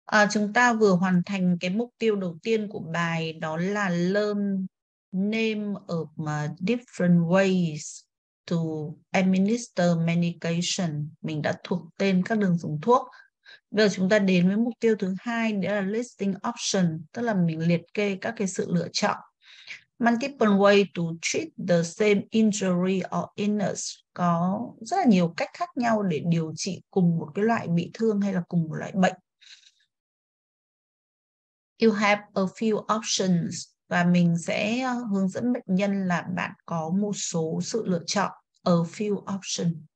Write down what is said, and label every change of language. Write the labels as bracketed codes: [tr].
[vi] Chúng ta vừa hoàn thành cái mục tiêu đầu tiên của bài, đó là [en] learn name of different ways to administer medication. [vi] Mình đã thuộc tên các đường dùng thuốc. Bây giờ chúng ta đến với mục tiêu thứ hai, đó là [en] listing option, [vi] tức là mình liệt kê các cái sự lựa chọn. [en] Multiple way to treat the same injury or illness. [vi] Có rất là nhiều cách khác nhau để điều trị cùng một cái loại bị thương hay là cùng một loại bệnh. [en] You have a few options. [vi] Và mình sẽ hướng dẫn bệnh nhân là bạn có một số sự lựa chọn. [en] A few options.